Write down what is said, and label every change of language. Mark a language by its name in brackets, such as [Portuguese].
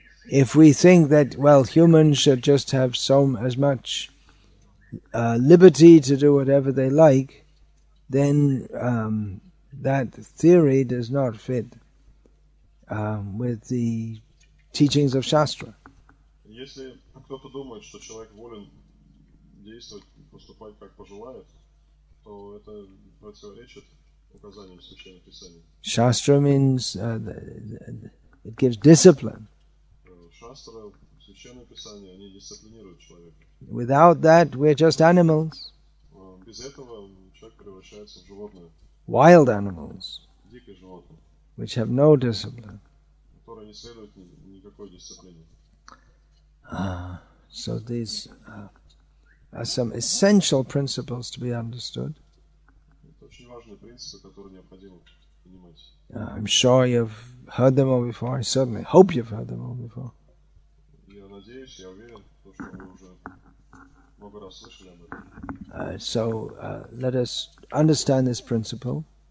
[English] If we think that, well, humans should just have as much liberty to do whatever they like, then that theory does not fit with the teachings of Shastra. [Russian] Если кто-то думает, что человек волен действовать, поступать, как пожелает, то это противоречит указаниям Священного Писания. [English] Shastra means it gives discipline. [Russian] Шастра, Священное Писание, они дисциплинируют человека. [English] Without that, we're just animals. [Russian] Без этого человек превращается в животное. [English] Wild animals. [Russian] Дикие животные. [English] Which have no discipline. [Russian] Которые не следуют никакой дисциплине. [English] So these are some essential principles to be understood. [Russian] Это очень важные принципы, которые необходимо понимать. [English] I'm sure you've heard them all before. I certainly hope you've heard them all before. [Russian] Я надеюсь, я уверен, что вы уже много раз слышали об этом. [English] Let us understand this principle.